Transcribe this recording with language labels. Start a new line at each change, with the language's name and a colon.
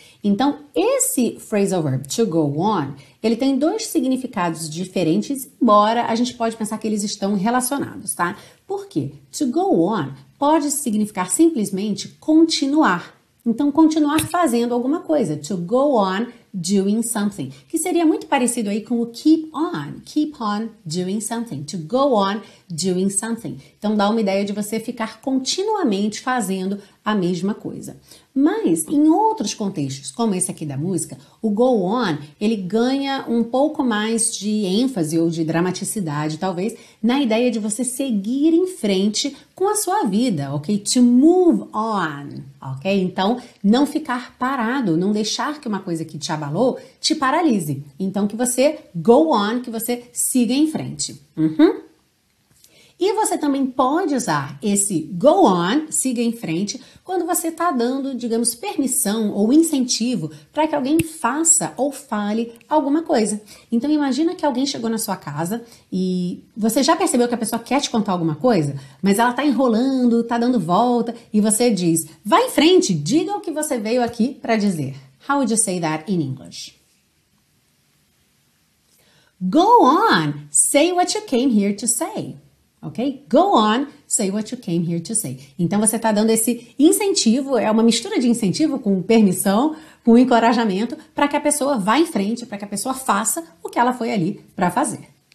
Portuguese: Então, esse phrasal verb, to go on, ele tem dois significados diferentes, embora a gente pode pensar que eles estão relacionados, tá? Por quê?
English: To go on
Portuguese: pode significar simplesmente continuar. Então, continuar fazendo alguma coisa.
English: To go on doing something.
Portuguese: Que seria muito parecido aí com o
English: keep on doing something. To go on doing something.
Portuguese: Então, dá uma ideia de você ficar continuamente fazendo a mesma coisa. Mas, em outros contextos, como esse aqui da música, o go on, ele ganha um pouco mais de ênfase ou de dramaticidade, talvez, na ideia de você seguir em frente com a sua vida, ok?
English: To move on,
Portuguese: ok? Então, não ficar parado, não deixar que uma coisa que te abalou te paralise. Então, que você go on, que você siga em frente. Uhum. E você também pode usar esse go on, siga em frente, quando você está dando, digamos, permissão ou incentivo para que alguém faça ou fale alguma coisa. Então, imagina que alguém chegou na sua casa e você já percebeu que a pessoa quer te contar alguma coisa, mas ela está enrolando, está dando volta, e você diz: vá em frente, diga o que você veio aqui para dizer.
English: How would you say that in English? Go on, say what you came here to say. Ok? Go on, say what you came here to say.
Portuguese: Então você está dando esse incentivo, é uma mistura de incentivo com permissão, com encorajamento, para que a pessoa vá em frente, para que a pessoa faça o que ela foi ali para fazer.